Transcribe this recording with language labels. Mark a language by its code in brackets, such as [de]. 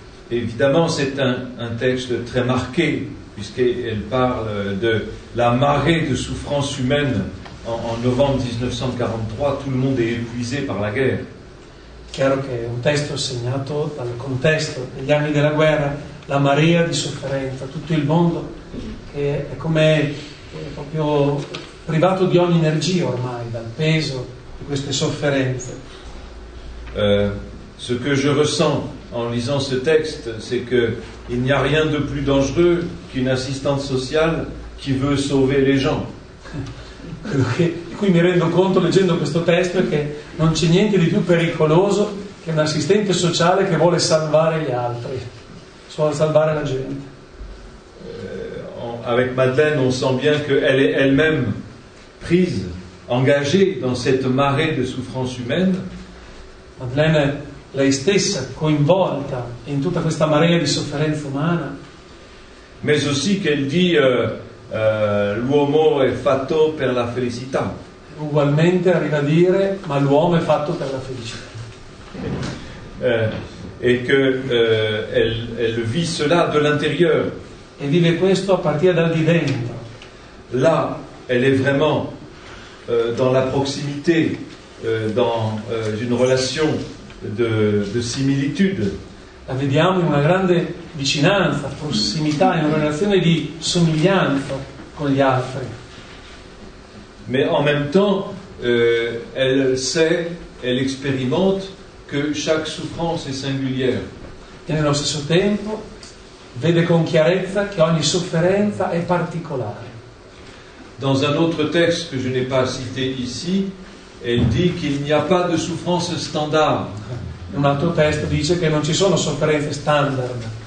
[fr] Évidemment, c'est un texte très marqué, puisqu'elle parle de la marée de souffrance humaine. En novembre 1943, tout le monde est épuisé par la guerre. [it] Chiaro che è un testo segnato dal contesto degli anni della guerra, la marea di sofferenza, tutto il mondo che è come proprio privato di ogni energia ormai dal peso di queste sofferenze. [fr] Ce que je ressens en lisant ce texte, c'est que il n'y a rien de plus dangereux qu'une assistante sociale qui veut sauver les gens. [it] Di cui mi rendo conto leggendo questo testo è che non c'è niente di più pericoloso che un assistente sociale che vuole salvare gli altri, vuole salvare la gente. [fr] Avec Madeleine, on sent bien qu'elle est elle-même prise, engagée dans cette marée de souffrance humaine. [it] Madeleine, lei stessa coinvolta in tutta questa marea di sofferenza umana. [fr] Mais aussi qu'elle dit. [it] L'uomo è fatto per la felicità. Ugualmente arriva a dire, ma l'uomo è fatto per la felicità. [fr] Elle vit cela de l'intérieur. [it] E vive questo a partire dal di dentro. [fr] Là, elle est vraiment dans la proximité, dans une relation de similitude. [it] La vediamo in una grande vicinanza, prossimità, in una relazione di somiglianza con gli altri. [fr] Mais en même temps, elle sait, elle expérimente que chaque souffrance est singulière. [it] E nello stesso tempo vede con chiarezza che ogni sofferenza è particolare. [fr] Dans un autre texte que je n'ai pas cité ici, elle dit qu'il n'y a pas de souffrance standard. [it] Un altro testo dice che non ci sono sofferenze standard.